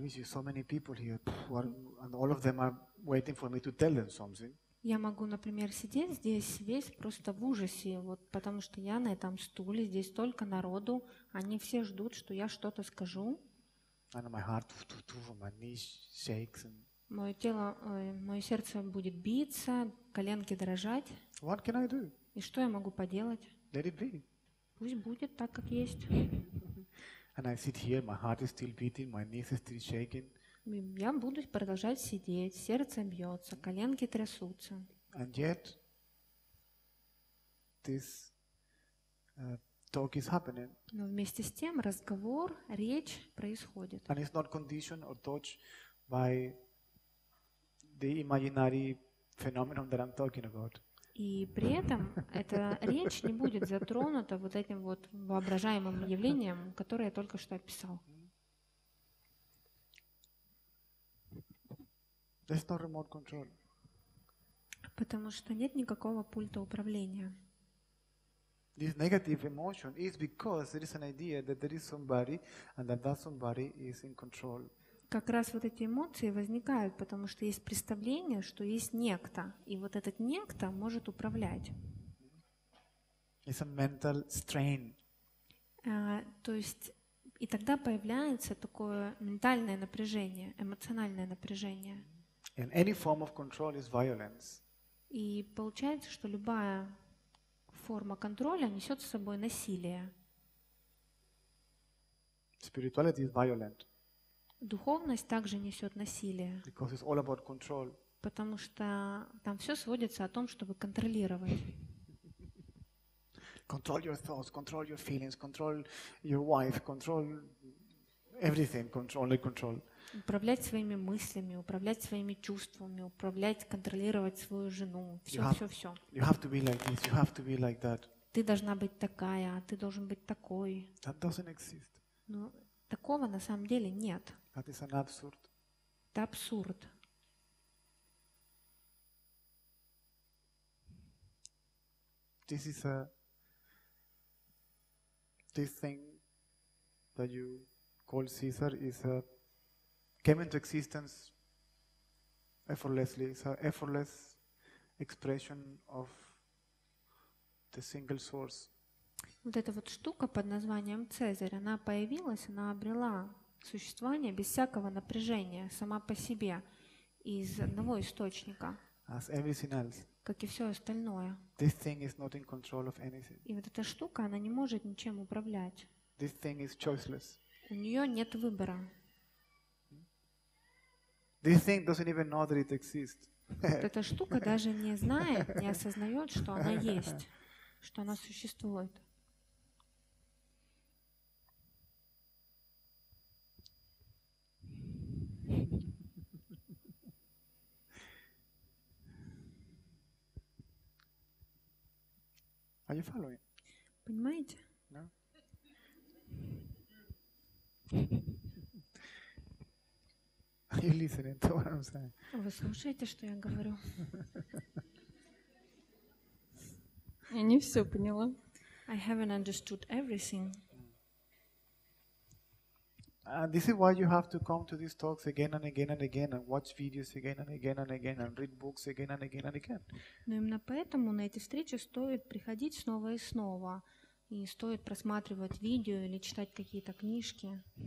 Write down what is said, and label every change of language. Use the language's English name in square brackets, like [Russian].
[English] We see so many people here, and all of them are waiting for me to tell them something. [Russian] Я могу, например, сидеть здесь весь просто в ужасе, вот, потому что я на этом стуле, здесь столько народу, они все ждут, что я что-то скажу. [English] And my heart, my knees shakes and... [Russian] Мое тело, мое сердце будет биться, коленки дрожать. [English] What can I do? [Russian] И что я могу поделать? [English] Let it be. [Russian] Пусть будет так, как есть. [English] And I sit here, my heart is still beating, my knees are still shaking. [Russian] Я буду продолжать сидеть, сердце бьется, коленки трясутся. [English] And yet this talk is happening. [Russian] Но вместе с тем разговор, речь происходит. [English] And it's not conditioned or touched by the imaginary phenomenon that I'm talking about. [Russian] И при этом эта речь не будет затронута вот этим вот воображаемым явлением, которое я только что описал. [English] There's no remote control. [Russian] Потому что нет никакого пульта управления. [English] This negative emotion is because there is an idea that there is somebody and that somebody is in control. [Russian] Как раз вот эти эмоции возникают, потому что есть представление, что есть некто, и вот этот некто может управлять. [English] It's a mental strain. [Russian] То есть и тогда появляется такое ментальное напряжение, эмоциональное напряжение. [English] And any form of control is violence. [Russian] И получается, что любая форма контроля несет с собой насилие. [English] Spirituality is violent. [Russian] Духовность также несет насилие. [English] Because it's all about control. [Russian] Потому что там все сводится о том, чтобы контролировать. [English] Control your thoughts, control your feelings, control your wife, control everything, control only control. [Russian] Управлять своими мыслями, управлять своими чувствами, управлять, контролировать свою жену. Все. [English] You have to be like this, you have to be like that. [Russian] Ты должна быть такая, ты должен быть такой. [English] That doesn't exist. [Russian] Но такого на самом деле нет. [English] That is an absurd. [Russian] Это абсурд. [English] This is a this thing that you call Caesar is a came into existence effortlessly. It's an effortless expression of the single source. [Russian] Вот эта вот штука под названием Цезарь, она появилась, она обрела существование без всякого напряжения сама по себе из одного источника. [English] As everything else. [Russian] Как и все остальное. [English] This thing is not in control of anything. [Russian] И вот эта штука, она не может ничем управлять. [English] This thing is choiceless. [Russian] У нее нет выбора. [English] This thing doesn't even know that it exists. [Russian] Вот эта штука даже не знает, не осознает, что она есть, что она существует. [English] Are you following? [Russian] Понимаете? [English] No? Are you listening to what I'm saying? [Russian] Вы слушаете, что я говорю? Я не все поняла. [English] I haven't understood everything. And this is why you have to come to these talks again and again and again and watch videos again and again and again and read books again and again and again. [Russian] Но именно поэтому на эти встречи стоит приходить снова и снова, и стоит просматривать видео или читать какие-то книжки.